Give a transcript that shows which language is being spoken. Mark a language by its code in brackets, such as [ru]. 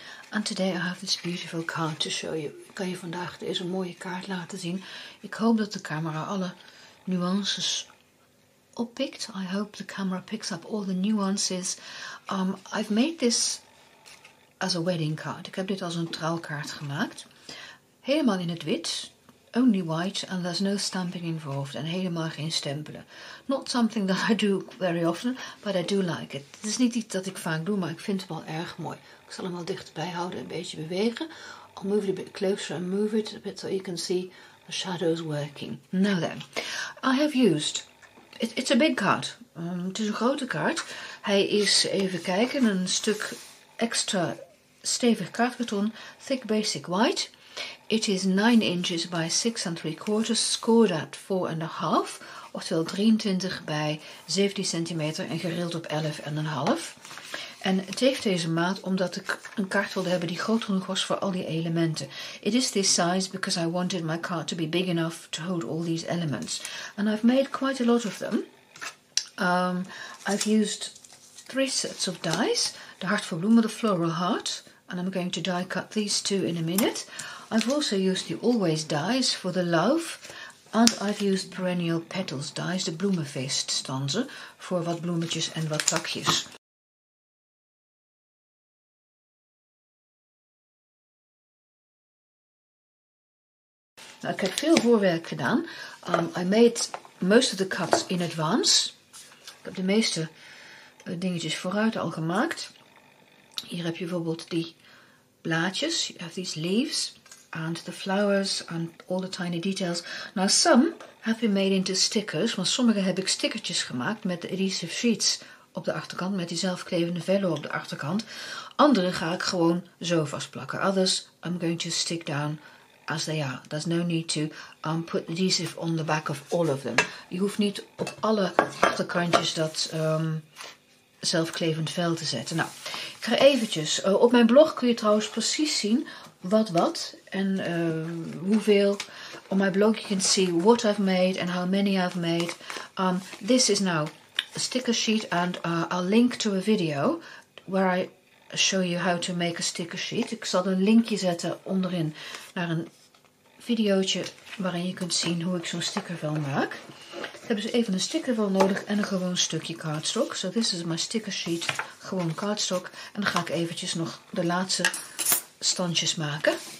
[en] And today I have this beautiful card to show you. [nl] Ik kan je vandaag deze mooie kaart laten zien. Ik hoop dat de camera alle nuances oppikt. [en] I hope the camera picks up all the nuances. I've made this as a wedding card. [nl] Ik heb dit als een trouwkaart gemaakt. Helemaal in het wit. [en] Only white, and there's no stamping involved, and [nl] helemaal geen stempelen. [en] Not something that I do very often, but I do like it. [nl] Het is niet iets dat ik vaak doe, maar ik vind het wel erg mooi. Ik zal hem wel dichterbij houden en een beetje bewegen. [en] I'll move it a bit closer and move it a bit so you can see the shadows working. Now then, I have used... It's a big card. [nl] Het is een grote kaart. Hij is, even kijken, een stuk extra stevig kaartkarton. [en] Thick basic white. It is 9 inches by 6 and 3 quarters, scored at 4.5, [nl] oftewel 23 bij 17 centimeter en gerild op 11.5. En het heeft deze maat omdat ik een kaart wilde hebben die groot genoeg was voor al die elementen. [en] It is this size because I wanted my card to be big enough to hold all these elements. And I've made quite a lot of them. I've used 3 sets of dies. [nl] De hart voor bloemen, de floral heart. [en] And I'm going to die cut these two in a minute. I've also used the always dies for the love. And I've used perennial petals dies, the bloemenfeest stansen, for [nl] wat bloemetjes en wat takjes. Nou, ik heb veel voorwerk gedaan. [en] I made most of the cuts in advance. [nl] Ik heb de meeste dingetjes vooruit al gemaakt. Hier heb je bijvoorbeeld die blaadjes. [en] You have these leaves. And the flowers and all the tiny details. Now some have been made into stickers. [nl] Want sommige heb ik stickertjes gemaakt met de adhesive sheets op de achterkant. Met die zelfklevende vello op de achterkant. Andere ga ik gewoon zo vastplakken. [en] Others I'm going to stick down as they are. There's no need to put adhesive on the back of all of them. [nl] Je hoeft niet op alle achterkantjes dat zelfklevend vel te zetten. Nou, ik ga eventjes. Op mijn blog kun je trouwens precies zien wat en hoeveel. [en] On my blog you can see what I've made and how many I've made. This is now a sticker sheet and I'll link to a video where I show you how to make a sticker sheet. [nl] Ik zal een linkje zetten onderin naar een videootje waarin je kunt zien hoe ik zo'n stickervel maak. Ik heb dus even een stickervel nodig en een gewoon stukje cardstock. [en] So this is my sticker sheet, [nl] gewoon cardstock. En dan ga ik eventjes nog de laatste stansjes maken.